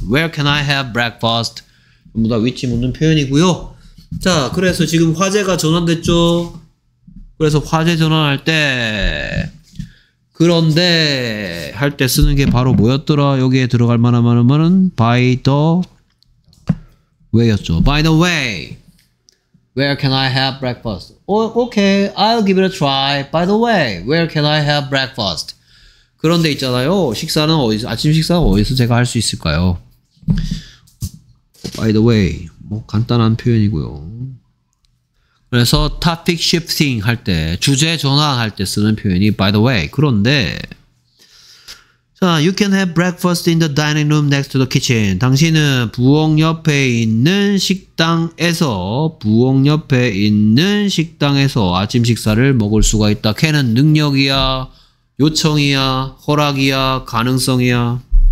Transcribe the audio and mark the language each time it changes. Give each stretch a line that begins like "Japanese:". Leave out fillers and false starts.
English: Where can I have breakfast?
Korean: 전부 다 위치 묻는 표현이고요. 자, 그래서 지금 화제가 전환됐죠. 그래서 화제 전환할 때 그런데 할 때 쓰는 게 바로 뭐였더라? 여기에 들어갈 만한 말은
English: by the way
Korean: 였죠.
English: By the way, where can I have breakfast? Okay, I'll give it a try. By the way, where can I have breakfast?
Korean: 그런데 있잖아요. 식사는 어디서, 아침 식사는 어디서 제가 할 수 있을까요?
English: By the way,
Korean: 뭐 간단한 표현이고요. 그래서 topic shifting 할 때, 주제 전환할 때 쓰는 표현이 by the way. 그런데 자,
English: you can have breakfast in the dining room next to the kitchen.
Korean: 당신은 부엌 옆에 있는 식당에서 아침 식사를 먹을 수가 있다. can은 능력이야, 요청이야, 허락이야, 가능성이야.